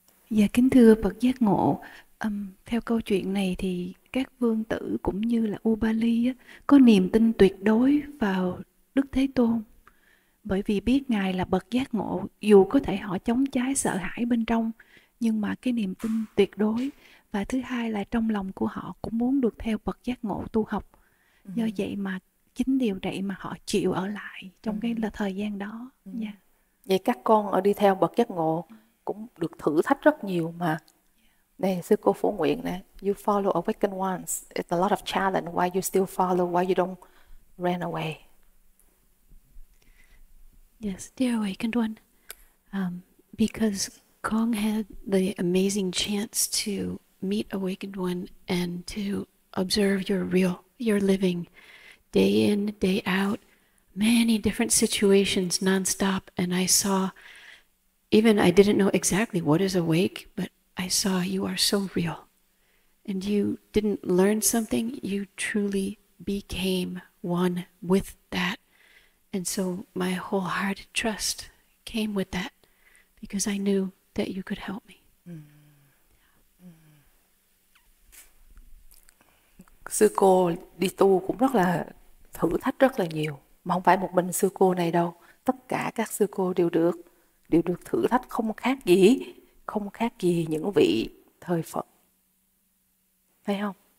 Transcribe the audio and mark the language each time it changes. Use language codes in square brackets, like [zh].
[vi] Dạ kính thưa bậc giác ngộ, theo câu chuyện này thì các vương tử cũng như là U Ba Ly á, có niềm tin tuyệt đối vào Đức Thế Tôn, bởi vì biết Ngài là bậc giác ngộ, dù có thể họ chống trái sợ hãi bên trong, nhưng mà cái niềm tin tuyệt đối, và thứ hai là trong lòng của họ cũng muốn được theo bậc giác ngộ tu học. Do vậy mà chính điều đấy mà họ chịu ở lại trong cái là thời gian đó. Vậy các con ở đi theo bậc giác ngộ cũng được thử thách rất nhiều mà. Này sư cô Phổ Nguyện nè, [en] you follow awakened ones, it's a lot of challenge, why you still follow, why you don't run away? Yes, dear awakened one, because Kong had the amazing chance to meet awakened one and to observe your living day in, day out, many different situations nonstop, and I saw, even I didn't know exactly what is awake, but I saw you are so real. And you didn't learn something, you truly became one with that. And so my wholehearted trust came with that because I knew that you could help me. [vi] Sư cô đi tu cũng rất là thử thách rất là nhiều, mà không phải một mình sư cô này đâu, tất cả các sư cô đều được thử thách không khác gì những vị thời Phật. Thấy không?